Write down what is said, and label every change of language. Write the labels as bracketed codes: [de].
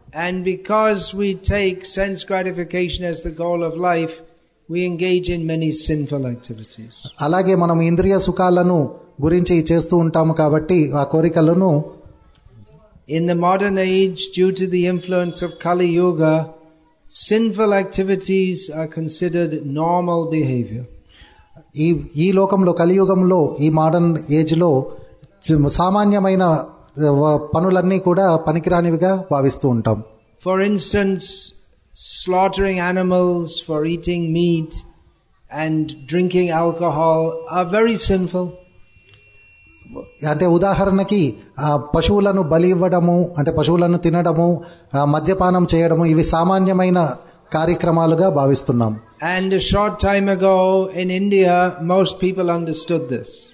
[en] And because we take sense gratification as the goal of life, we engage in many sinful activities. [te] అలాగే మనం ఇంద్రియ సుఖాలను గురించి చేస్తూ ఉంటాము కాబట్టి ఆ కోరికలను. [en] In the modern age, due to the influence of Kali Yuga, sinful activities are considered normal behavior. [te] ఈ లోకంలో కలియుగంలో ఈ మోడర్న్ ఏజ్ లో సామాన్యమైన పనులన్నీ కూడా పనికిరానివిగా భావిస్తూ ఉంటాం. [en] For instance slaughtering animals for eating meat and drinking alcohol are very simple. [te] అంటే ఉదాహరణకి పశువులను బలి ఇవ్వడము, అంటే పశువులను తినడము, మద్యపానం చేయడము, ఇవి సామాన్యమైన కార్యక్రమాలుగా భావిస్తున్నాం. [en] And a short time ago in India most people understood this.